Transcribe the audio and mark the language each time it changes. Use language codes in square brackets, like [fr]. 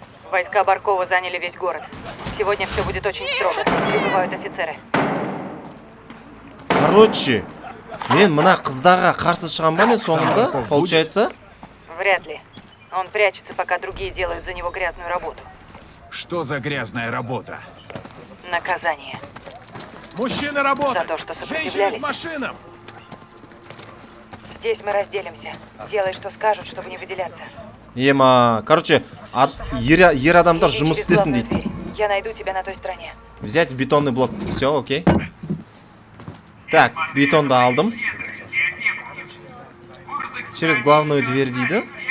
[ru] Войска Баркова заняли весь город. Сегодня все будет очень строго. Прибывают офицеры. [kk] Короче, мен мына қыздарға қарсы шығам ба не соңында, [ru] получается? Вряд ли. Он прячется, пока другие делают за него грязную работу. Что за грязная работа? Наказание. Мужчины работают. За то, что сопротивлялись. Женщины к машинам. Здесь мы разделимся. Делай, что скажут, чтобы не выделяться. [kk] Ема, короче, ер адамдар жұмыс істесін дейді. [ru] Я найду тебя на той стороне. Взять бетонный блок. Все, окей. Так, [kk] бетонды алдым. [ru] Через главную дверь дейді.